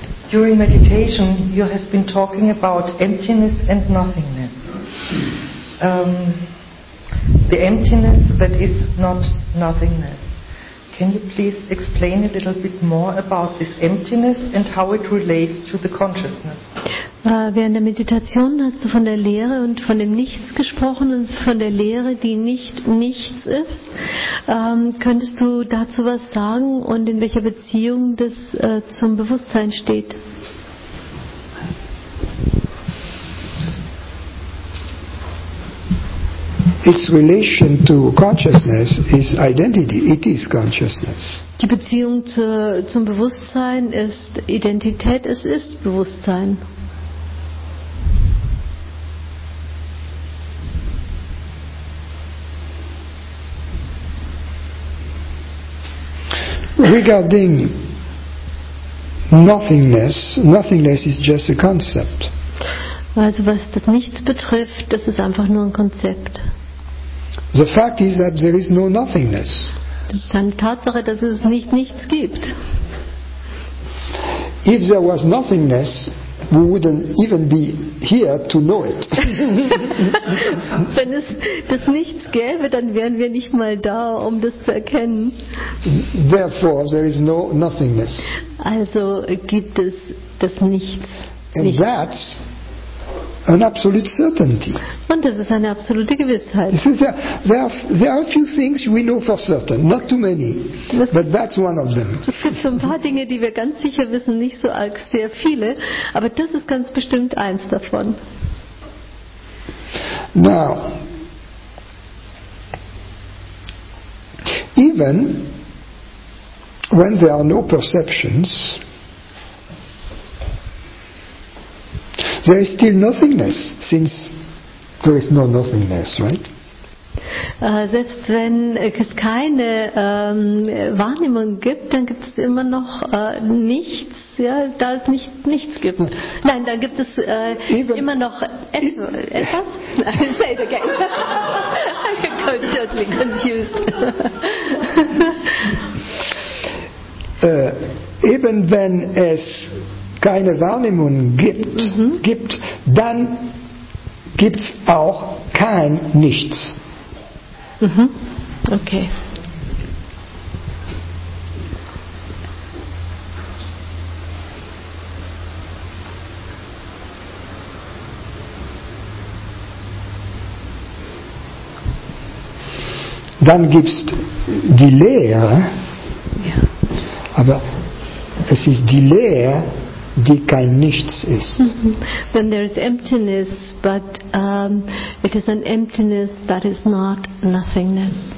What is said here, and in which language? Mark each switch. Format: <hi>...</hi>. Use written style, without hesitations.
<en>During meditation, you have been talking about emptiness and nothingness. The emptiness that is not nothingness. Can you please explain a little bit more about this emptiness and how it relates to the consciousness?</en> <de>Während der Meditation hast du von der Leere und von dem Nichts gesprochen und von der Leere, die nicht nichts ist. Könntest du dazu was sagen und in welcher Beziehung das zum Bewusstsein steht?</de> <en>Its relation to consciousness is identity. It is consciousness.</en> <de>Die Beziehung zum Bewusstsein ist Identität. Es ist Bewusstsein.</de> <en>Regarding nothingness. Nothingness is just a concept.</en> <de>Also was das Nichts betrifft, das ist einfach nur ein Konzept.</de> <en>The fact is that there is no nothingness.</en> <de>Das ist eine Tatsache, dass es nicht nichts gibt.</de> <en>If there was nothingness, we wouldn't even be here to know it.</en> <de>Wenn es das Nichts gäbe, dann wären wir nicht mal da, um das zu erkennen.</de> <en>Therefore, there is no nothingness.</en> <de>Also gibt es das Nichts.</de> <en>And that's an absolute certainty.</en> <de>Und das ist eine absolute Gewissheit.</de> <en>There are a few things we know for certain, not too many, but that's one of them.</en> <de>Es gibt so ein paar Dinge, die wir ganz sicher wissen, nicht so arg sehr viele, aber das ist ganz bestimmt eins davon.</de> <en>Now, even when there are no perceptions, there is still nothingness, since there is no nothingness, right?</en> <de>Selbst wenn es keine Wahrnehmung gibt, dann gibt es immer noch nichts, ja, da es nicht, nichts gibt. Nein, dann gibt es immer noch etwas.</de> <en>Say it again. I get totally confused.</en> <de>Eben wenn es keine Wahrnehmung gibt, gibt, dann gibt es auch kein Nichts. Mhm. Okay. Dann gibt es die Leere, aber es ist die Leere, die kein Nichts ist.</de> <en>Then there is emptiness, but it is an emptiness that is not nothingness.</en>